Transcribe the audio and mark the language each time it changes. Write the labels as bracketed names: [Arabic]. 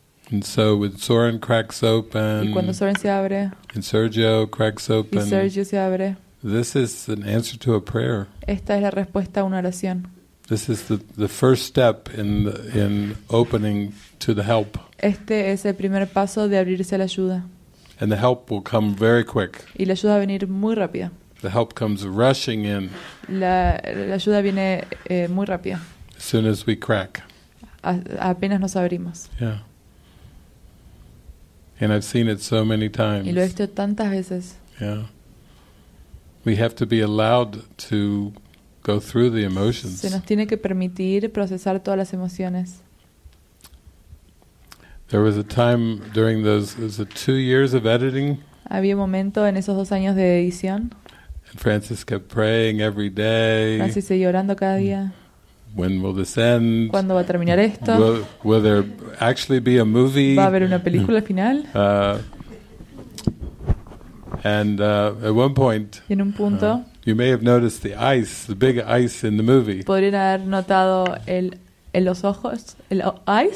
[English] And so when Soren cracks open. [Spanish] Y cuando Soren se abre. [English] And Sergio cracks open. [Spanish] Y Sergio se abre. [English] This is an answer to a prayer. [Spanish] Esta es la respuesta a una oración. [English] This is the first step in opening to the help. [Spanish] Este es el primer paso de abrirse a la ayuda. [English] And the help will come very quick. [Spanish] Y la ayuda va a venir muy rápida. [English] The help comes rushing in. [Spanish] La ayuda viene muy rápida. [English] As soon as we crack. [Spanish] Apenas nos abrimos. [English] Yeah. And I've seen it so many times. [Spanish] Y lo he visto tantas veces. [English] Yeah. We have to be allowed to go through the emotions. [Spanish] Se nos tiene que permitir procesar todas las emociones. [English] There was a time during those it was the 2 years of editing. [Spanish] Había un momento en esos 2 años de edición. [English] And Frances kept praying every day. [Spanish] Frances seguía orando cada día. [English] When will this end? [Spanish] ¿Cuándo va a terminar esto? [English] Will there actually be a movie? [Spanish] ¿Va a haber una película final? [English] At one point. [Spanish] Y en un punto. [English] You may have noticed the ice, the big ice in the movie. [Spanish] Podrían haber notado el los ojos, el ice